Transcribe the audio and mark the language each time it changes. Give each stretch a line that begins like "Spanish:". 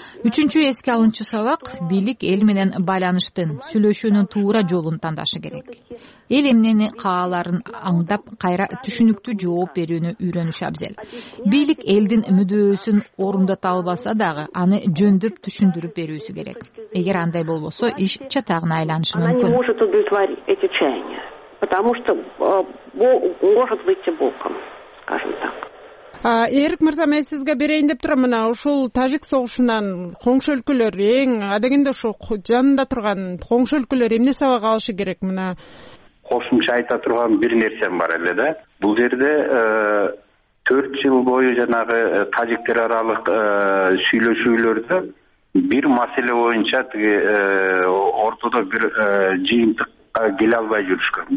Kyrgyz: Үчүнчү эске алынчу сабак, бийлик эл менен байланыштын, сүйлөшүүнүн туура жолун тандашы керек. Эл эмнени кааларын аңдап, кайра түшүнүктүү жооп берүүнү үйрөнүш абзел. Бийлик элдин мүдөөсүн орундата албаса дагы, аны жөндөп түшүндүрүп берүүсү керек. Эгер андай болбосо, иш чатагына айланышы мүмкүн.
Russian: Потому что может выйти боком, скажем так.
Kyrgyz: Эрик мырза, мен сизге берейин деп турам, мына ушул тажик согушунан коңшу өлкөлөр эң адегенде ушул жанында турган коңшу өлкөлөр эмне сабак алышы керек? Мына кошумча айта турган бир нерсем бар эле да. Бул жерде 4 жыл бою жанагы тажиктер аралык сүйлөшүүлөрдө бир маселе боюнча тиги ортодо бир жыйынтык келе албай жүрүшкөн.